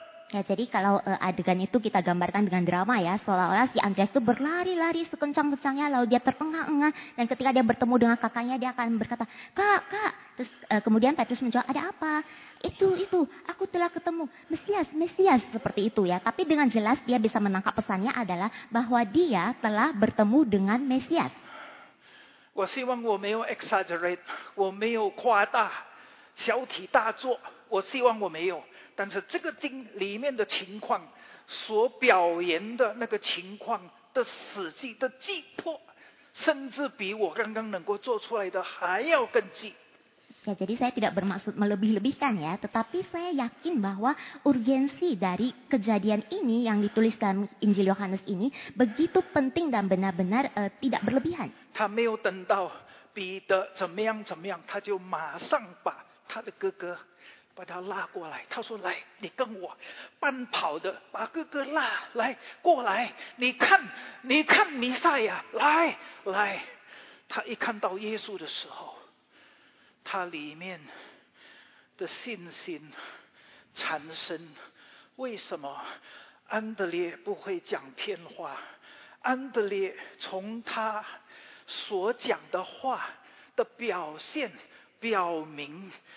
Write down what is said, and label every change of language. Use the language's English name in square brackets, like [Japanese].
[Indonesian] Ya, jadi kalau adegan itu kita gambarkan dengan drama ya, seolah-olah si Andreas itu berlari-lari sekencang-kencangnya, lalu dia terengah-engah, dan ketika dia bertemu dengan kakaknya, dia akan berkata, kak, kak, terus kemudian Petrus menjawab, ada apa? Itu, aku telah ketemu, Mesias, seperti itu ya. Tapi dengan jelas dia bisa menangkap pesannya adalah bahwa dia telah bertemu dengan Mesias. [Chinese] 我希望我没有 exaggerate, 我没有夸大，小题大做，我希望我没有。但是这个经里面的情况，所表现的那个情况的实际的急迫，甚至比我刚刚能够做出来的还要更急。 [Indonesian] Ya, jadi saya tidak bermaksud melebih-lebihkan ya, tetapi saya yakin bahwa urgensi dari kejadian ini yang ditulis dalam Injil Yohanes ini begitu penting dan benar-benar tidak berlebihan. Dia tidak menunggu Peter bagaimana, dia langsung membawa adiknya. [Chinese] 把他拉过来，他说：“来，你跟我奔跑的，把哥哥拉来，过来，你看，你看弥赛亚，来来。”他一看到耶稣的时候，他里面的信心产生。为什么安德烈不会讲偏话？安德烈从他所讲的话的表现，表明。